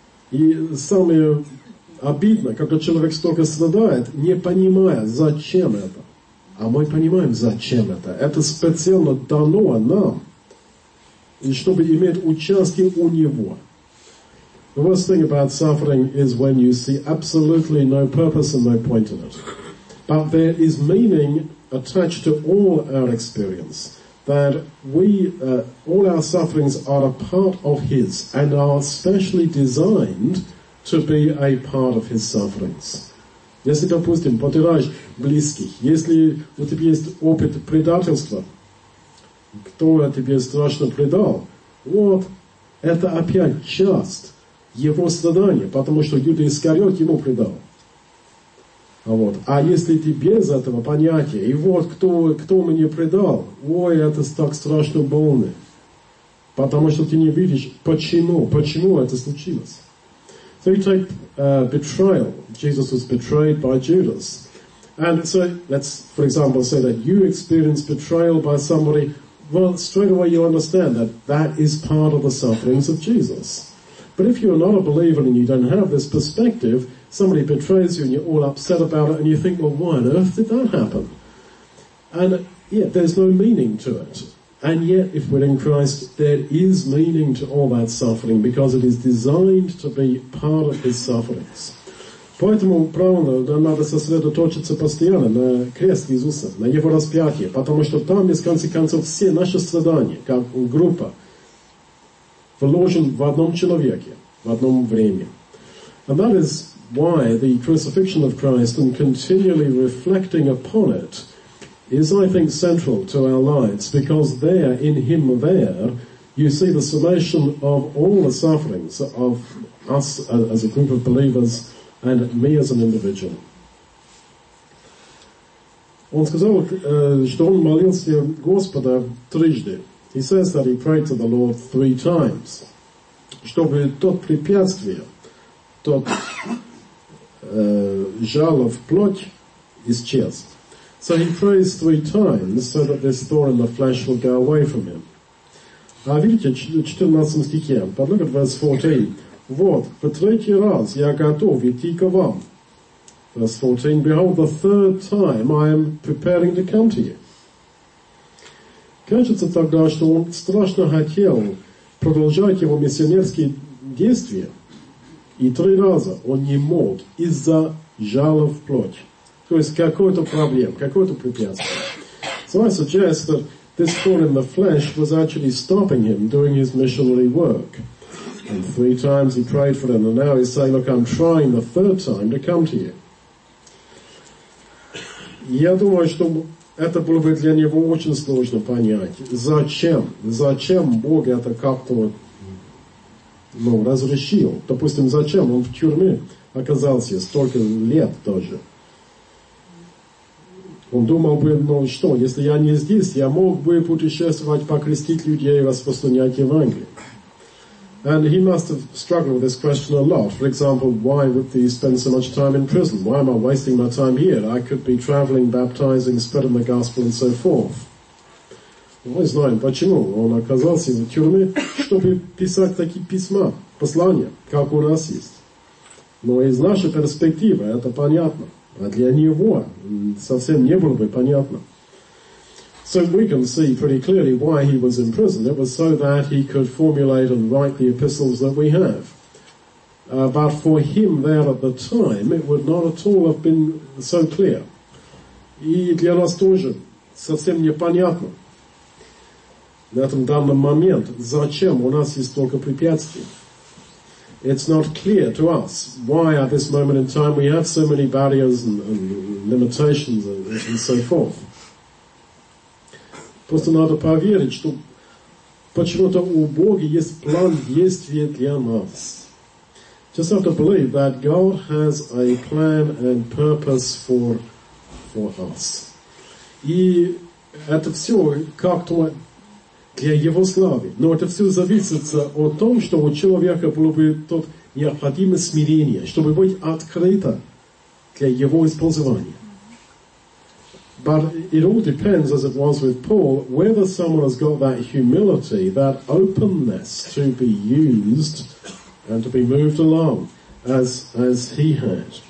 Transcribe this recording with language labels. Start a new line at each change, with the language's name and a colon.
Russian: И самое обидное, когда человек столько страдает, не понимая, зачем это. А мы понимаем, зачем это. Это специально дано нам. и чтобы иметь участие у Него.
English: The worst thing about suffering is when you see absolutely no purpose and no point in it. But there is meaning attached to all our experience, that we, all our sufferings are a part of His and are specially designed to be a part of His sufferings.
Russian: Если, допустим, потеряешь близких, если у тебя есть опыт предательства, кто тебе страшно предал, вот это опять часть его страдания, потому что Юда Искариот ему предал. Вот. А если ты без этого понятия, и вот кто мне предал, ой, это так страшно больно, потому что ты не видишь, почему это случилось.
English: So you take betrayal. Jesus was betrayed by Judas. And so let's, for example, say that you experience betrayal by somebody. Well, straight away you understand that that is part of the sufferings of Jesus. But if you're not a believer and you don't have this perspective, somebody betrays you and you're all upset about it and you think, well, why on earth did that happen? And yeah, there's no meaning to it. And yet, if we're in Christ, there is meaning to all that suffering because it is designed to be part of His sufferings.
Russian: Поэтому правильно нам надо сосредоточиться постоянно на кресте Иисуса, на Его распятии, потому что там, в конце концов, все наши страдания, как группа, вложены в одном человеке, в одном времени.
English: And that is why the crucifixion of Christ and continually reflecting upon it is, I think, central to our lives, because there, in Him there, you see the summation of all the sufferings of us as a group of believers and me as an individual.
Russian: Он сказал, что он молился Господа трижды.
English: He says that he prayed to the Lord three times,
Russian: чтобы тот препятствие, тот жало в плоть исчез.
English: So he prays three times so that this thorn in the flesh will go away from him.
Russian: А видите, в 14 стихе,
English: but look at verse 14.
Russian: Вот, по третий раз я готов идти к вам.
English: Verse 14, behold, the third time I am preparing to come to you.
Russian: Кажется тогда, что он страшно хотел продолжать его миссионерские действия, и три раза он не мог из-за жала в плоть. То есть какой-то проблем, какой-то препятствие.
English: So I suggest that this thorn in the flesh was actually stopping him doing his missionary work. And three times he prayed for him, and now he's saying, look, I'm trying the third time to come to you.
Russian: Я думаю, что это было бы для него очень сложно понять. Зачем? Зачем Бог это как-то разрешил? Допустим, зачем он в тюрьме оказался столько лет тоже? Он думал бы, ну что, если я не здесь, я мог бы путешествовать, покрестить людей и распространять Евангелие.
English: And he must have struggled with this question a lot. For example, why would he spend so much time in prison? Why am I wasting my time here? I could be traveling, baptizing, spreading the gospel and so forth.
Russian: Он не знает, почему он оказался в тюрьме, чтобы писать такие письма, послания, как у нас есть. Но из нашей перспективы это понятно. А для него совсем не было бы понятно.
English: So we can see pretty clearly why he was in prison. It was so that he could formulate and write the epistles that we have. But for him there at the time, it would not at all have been so clear.
Russian: И для нас тоже совсем непонятно. В этом данном момент, зачем у нас есть столько препятствий?
English: It's not clear to us why at this moment in time we have so many barriers and limitations and so forth.
Russian: Просто надо поверить, что почему-то у Бога есть план действия для нас.
English: Just have to believe that God has a plan and purpose for us.
Russian: И это все как-то для Его славы. Но это все зависит от того, что у человека было бы тот необходимое смирение, чтобы быть открыто для Его использования.
English: But it all depends, as it was with Paul, whether someone has got that humility, that openness to be used and to be moved along, as he had.